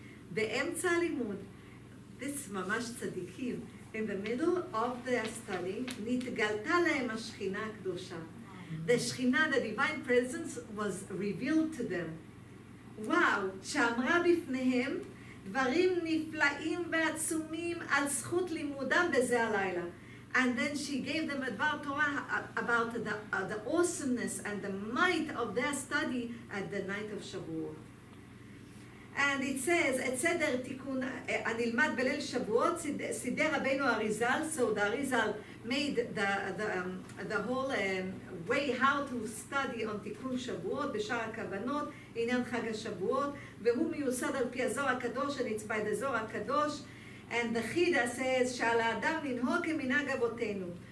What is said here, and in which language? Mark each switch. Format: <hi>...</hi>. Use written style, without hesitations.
<he>באמצע הלימוד, this ממש צדיקים,</he> <en>in the middle of the study,</en> <he>נתגלתה להם השכינה הקדושה.</he> <en>The שכינה, the divine presence, was revealed to them.</en> <he>וואו, שאמרה בפניהם דברים נפלאים ועצומים על זכות לימודם בזה הלילה.</he> <en>And then she gave them a דבר תורה about the awesomeness and the might of their study at the night of Shavuot. And it says,</en> <he>את סדר תיקון הנלמד בליל שבועות, סידר רבינו אריזל, so the אריזל</he> <en>made the whole way how to study on Tikkun Shavuot, Bishar HaKavanot, Inyan Chag HaShavuot,</en> <he>והוא מיוסד על פי הזוהר הקדוש,</he> <en>and it's by the Zohar HaKadosh, and the Chida says,</en> <he>שעל האדם לנהוג כמנהג אבותינו.</he>